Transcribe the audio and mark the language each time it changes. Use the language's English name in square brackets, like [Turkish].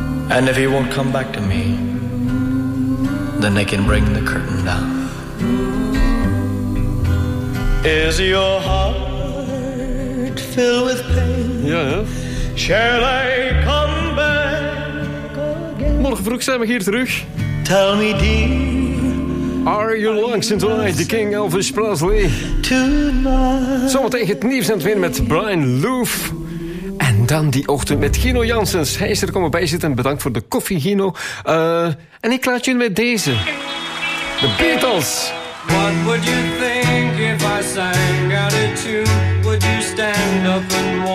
[English] And if he won't come back to me, then they can bring the curtain down. Is your heart filled with pain? Yes. Shall I come back again? [Dutch] Morgen vroeg zijn we hier terug. [English] Tell me, dear. Are you lonesome tonight, the King Elvis Presley? Tonight. [Dutch] Zometeen het nieuws en het weer met Brian Loof. En dan die ochtend met Gino Janssens. Hij is er komen bij zitten. Bedankt voor de koffie, Gino. En ik laat je met deze. The Beatles. [English] What would you think if I sang out a tune? Would you stand up and